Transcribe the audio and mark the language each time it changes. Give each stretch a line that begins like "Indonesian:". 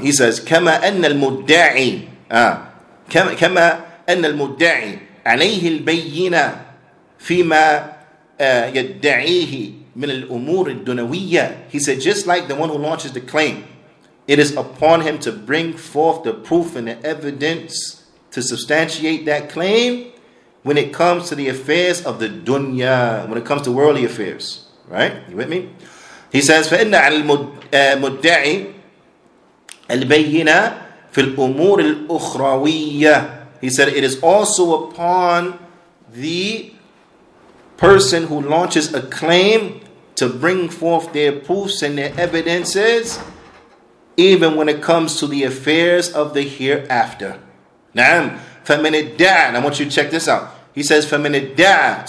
English: He says,
Arabic: "Kama anna al-mudda'i kama أن المدعي عليه البينة فيما يدعيه من الأمور الدنوية.
English: He said, just like the one who launches the claim, it is upon him to bring forth the proof and the evidence to substantiate that claim when it comes to the affairs of the dunya, when it comes to worldly affairs. Right? You with me? He says,
Arabic: فإن المدعي البينة في الأمور الأخروية.
English: He said, it is also upon the person who launches a claim to bring forth their proofs and their evidences, even when it comes to the affairs of the hereafter. Na'am.
Arabic: فَمِنِ الدَّعَى.
English: I want you to check this out. He says, فَمِنِ الدَّعَى.